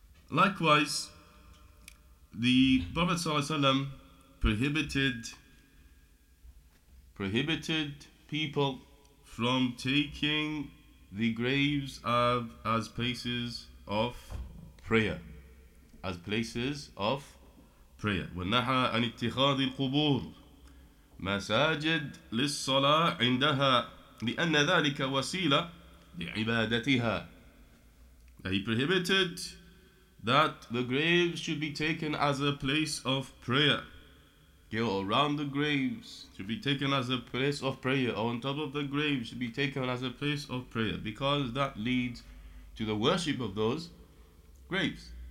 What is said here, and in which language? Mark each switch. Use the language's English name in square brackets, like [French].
[English] Likewise, the Prophet ﷺ prohibited people from taking the graves as places of prayer. As places of prayer. [Arabic] ونحى عن اتخاذ القبور مساجد للصلاة عندها لأن ذلك وسيلة لعبادتها. [English] He prohibited that the graves should be taken as a place of prayer. Go around the graves should be taken as a place of prayer, or on top of the graves should be taken as a place of prayer, because that leads to the worship of those graves.